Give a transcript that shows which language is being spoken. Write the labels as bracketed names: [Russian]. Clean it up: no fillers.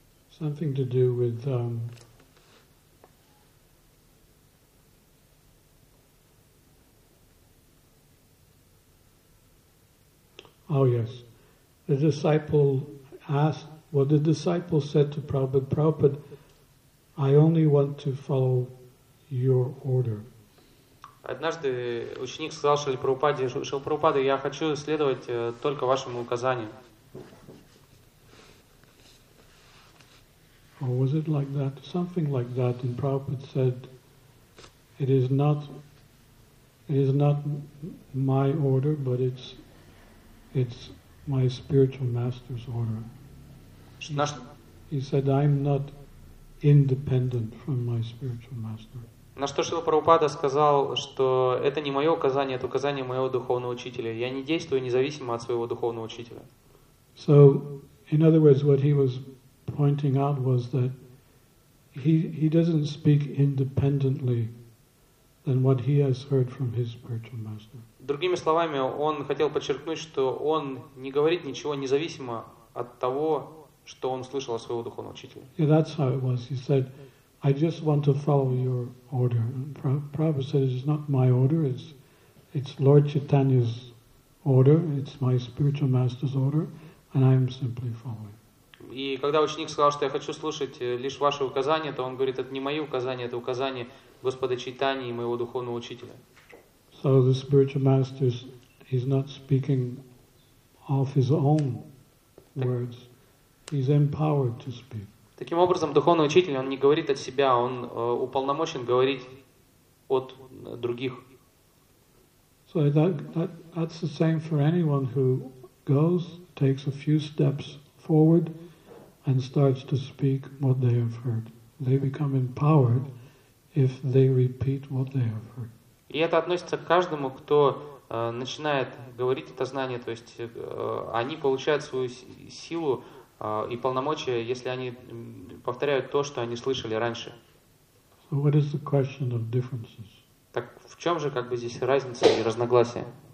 [English] Something to do with oh yes, the disciple asked. Well, the disciple said to Prabhupada, "Prabhupada, I only want to follow your order." [Russian] Однажды ученик сказал Шрила Прабхупаде, "Я хочу следовать только вашему указанию." [English] Or was it like that? Something like that. And Prabhupada said, "It is not my order, but it's my spiritual master's order." He said, "I'm not independent from my spiritual master." [Russian] На что Шрила Прабхупада сказал, что это не мое указание, это указание моего духовного учителя. Я не действую независимо от своего духовного учителя. [English] So, in other words, what he was pointing out was that he doesn't speak independently than what he has heard from his spiritual master. [Russian] Другими словами, он хотел подчеркнуть, что он не говорит ничего независимо от того, что он слышал от своего духовного учителя. [English] Yeah, that's how it was. He said, "I just want to follow your order." Prabhupada said, "It's not my order. It's Lord Chaitanya's order. It's my spiritual master's order, and I'm simply following." [Russian] И когда ученик сказал, что я хочу слушать лишь ваши указания, то он говорит, это не мои указания, это указания Господа Чайтани и моего духовного учителя. [English] So the spiritual master is not speaking off his own words. He's empowered to speak. [Russian] Таким образом, духовный учитель, он не говорит от себя, он уполномочен говорить от других. [English] So that's the same for anyone who goes, takes a few steps forward, and starts to speak what they have heard. They become empowered if they repeat what they have heard. [Russian] И это относится к каждому, кто начинает говорить это знание, то есть они получают свою силу и полномочия, если они повторяют то, что они слышали раньше. [English] So what is the question of differences? [Russian] Так в чем же как бы здесь разница и разногласия?